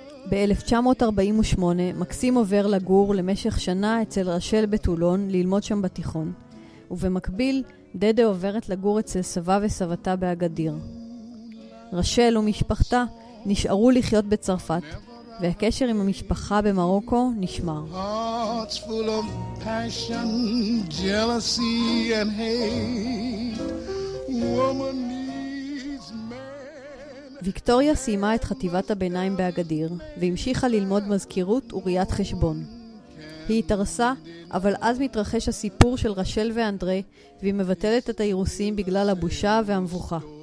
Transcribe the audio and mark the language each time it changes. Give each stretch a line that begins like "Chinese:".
Hebrew: ב-1948 מקסים עובר לגור למשך שנה אצל רשל בטולון ללמוד שם בתיכון, ובמקביל דדה עוברת לגור אצל סבא וסבתה באגדיר. רשל ומשפחתה נשארו לחיות בצרפת, והקשר עם המשפחה במרוקו נשמר.
English: Hearts full of passion, jealousy and hate. Woman needs man.
Hebrew: ויקטוריה סיימה את חטיבת הביניים באגדיר, והמשיכה ללמוד מזכירות וראיית חשבון. היא התארסה, אבל אז מתרחש הסיפור של רשל ואנדרי, והיא מבטלת את האירוסים בגלל הבושה והמבוכה.